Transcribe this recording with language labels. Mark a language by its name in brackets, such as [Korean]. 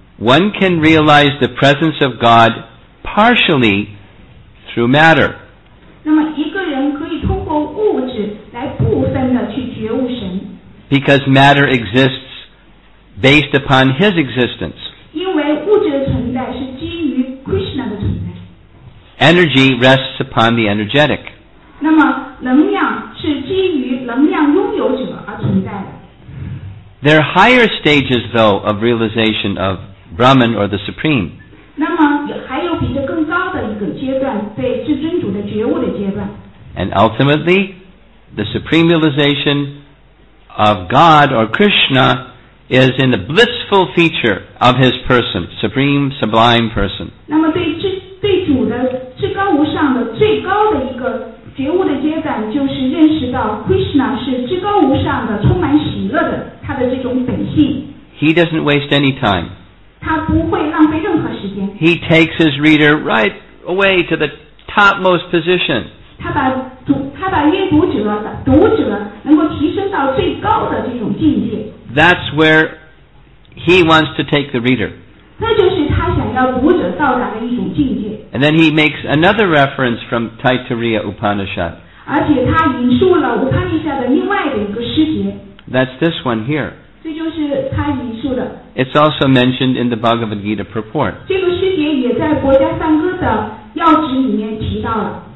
[English] One can realize the presence of God partially through matter. [Chinese] 那么一个人可以通过物质来部分的去觉悟神。 [English] Because matter exists based upon his existence. [Chinese] 因为物质的存在是基于 Krishna 的存在。 [English] Energy rests upon the energetic. [Chinese] 那么能量是基于能量拥有者而存在的。 [English] There are higher stages, though, of realization of Brahman or the Supreme. [Chinese] 那么还有比这更高的一个阶段，被至尊主的觉悟的阶段。 [English] And ultimately, the Supreme realization. Of God or Krishna is in the blissful feature of his person, supreme, sublime person. [Chinese] 那么对主的至高无上的最高的一个觉悟的阶段，就是认识到 Krishna 是至高无上的充满喜乐的他的这种本性。 [English] He doesn't waste any time. [Chinese] 他不会浪费任何时间。 [English] He takes his reader right away to the topmost position. [Chinese] 他把阅读者读者能够提升到最高的这种境界。 [English] That's where he wants to take the reader. [Chinese] 那就是他想要读者到达的一种境界。 [English] And then he makes another reference from Taittiriya Upanishad. [Chinese] 而且他引述了 Upanishad 的另外的一个师节。 [English] That's this one here. [Chinese] 这就是他引述的。 [English] It's also mentioned in the Bhagavad Gita purport. [Chinese] 这个师节也在博迦梵歌的要旨里面提到了。